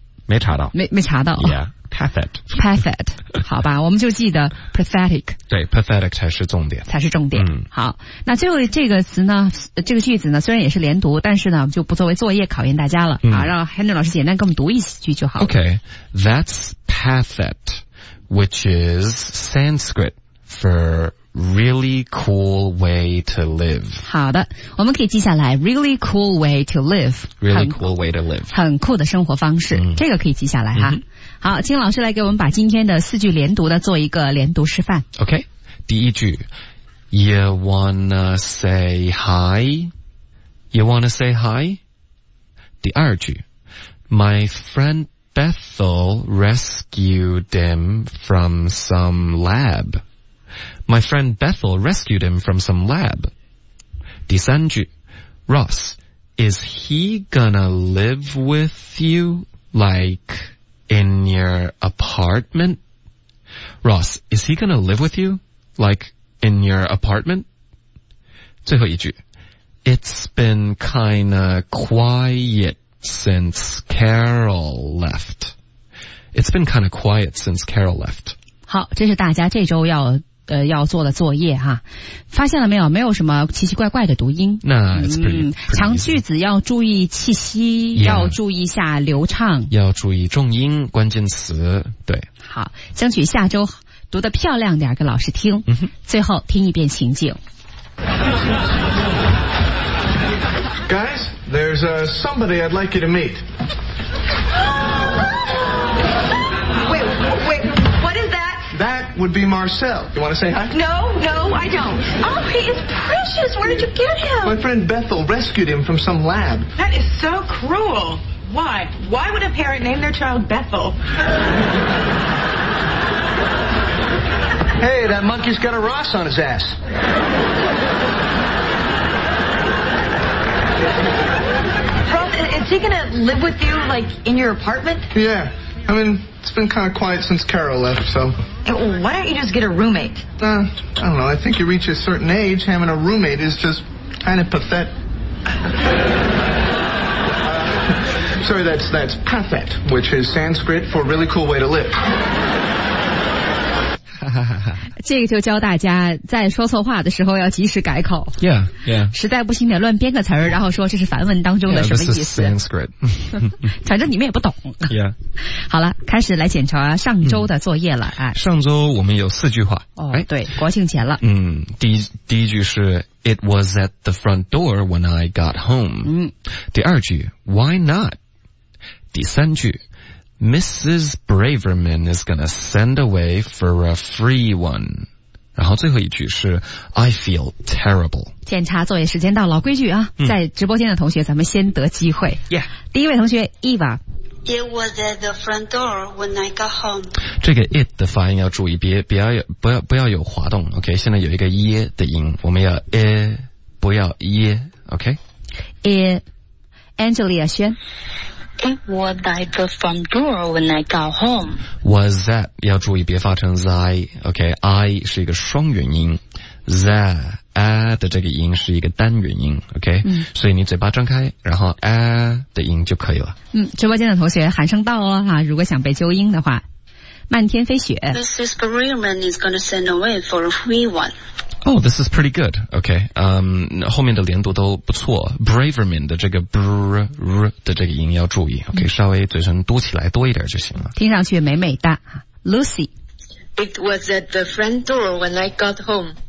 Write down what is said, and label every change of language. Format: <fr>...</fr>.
<zh>没查到没查到</zh> <en>Yeah, pathet</en> <zh>好吧我们就记得 pathetic 对 pathetic 才是重点好那最后这个词呢这个句子呢虽然也是连读但是呢就不作为作业考验大家了好让 Henry 老师简单给我们读一句就好</zh> <en>OK That's pathet which is Sanskrit for really cool way to live</en> <zh>好的我们可以记下来</zh> <en>really cool way to live really cool way to live</en> <zh>很酷的生活方式这个可以记下来哈好请老师来给我们把今天的四句连读的做一个连读示范</zh> <en>OK</en> <zh>第一句</zh> <en>You wanna say hi You wanna say hi</en> <zh>第二句</zh> <en>My friend Bethel rescued him from some lab My friend Bethel rescued him from some lab.</en> <zh>第三句</zh> <en>Ross, is he gonna live with you like in your apartment? Ross, is he gonna live with you like in your apartment?</en> <zh>最后一句</zh> <en>It's been kinda quiet since Carol left. It's been kinda quiet since Carol left.</en> <zh>好这是大家这周要做的作业哈发现了没有没有什么奇奇怪怪的读音</zh> <en>那 it's pretty</en> <zh>长句子要注意气息、</zh> <en>yeah.</en> <zh>要注意一下流畅要注意重音关键词对好争取下周读得漂亮点给老师听最后听一遍情景</zh> <en>Guys, there's somebody I'd like you to meet. Wait, what is that? That would be Marcel. You want to say hi? No, I don't. Oh, he is precious. Where did you get him? My friend Bethel rescued him from some lab. That is so cruel. Why? Why would a parent name their child Bethel? Hey, that monkey's got a Ross on his ass. Ross, is he going to live with you, like, in your apartment? Yeah. I mean, it's been kind of quiet since Carol left, so... Why don't you just get a roommate? I don't know. I think you reach a certain age, having a roommate is just kind of pathetic. Sorry, that's pathet, which is Sanskrit for really cool way to live.</en> <zh>这个就教大家在说错话的时候要及时改口。</zh> <en>Yeah.</en> <zh>实在不行得乱编个词儿，然后说这是梵文当中的什么意思。</zh> <en>Yeah, this is Sanskrit.</en> <zh>反正你们也不懂。</zh> <en>Yeah.</en> <zh>好了，开始来检查上周的作业了。上周我们有四句话。对，国庆前了。第一句是</zh> <en>It was at the front door when I got home.</en> <zh>第二句</zh> <en>Why not?</en> <zh>第三句</zh> <en>Mrs. Braverman is gonna send away for a free one.</en> <zh>然后最后一句是</zh> <en>I feel terrible.</en> <zh>检查作业时间到，老规矩啊，在直播间的同学咱们先得机会。</zh> <en>Yeah.</en> <zh>第一位同学 Eva.</zh> <en>It was at the front door when I got home.</en> <zh>这个 it 的发音要注意，不要有滑动， OK? 现在有一个耶的音，我们要耶，不要耶， OK? Angelia 轩。</zh> <en>It was at the front door when I got home.</en> <zh>Was at 要注意别发成 zi, OK? I 是一个双元音 ，za a 的这个音是一个单元音 ，OK?、所以你嘴巴张开，然后 a 的音就可以了。直播间的同学喊声到哦哈、啊，如果想被纠音的话，漫天飞雪。</zh> <en>Mrs. Berryman is going to send away for a free one. Oh, this is pretty good.</en> <zh>OK, 后面的连读都不错。 Braverman 的这个 brr 的这个音要注意。 OK,、稍微嘴唇嘟起来多一点就行了。听上去美美的。Lucy.</zh> <en>It was at the front door when I got home.</en>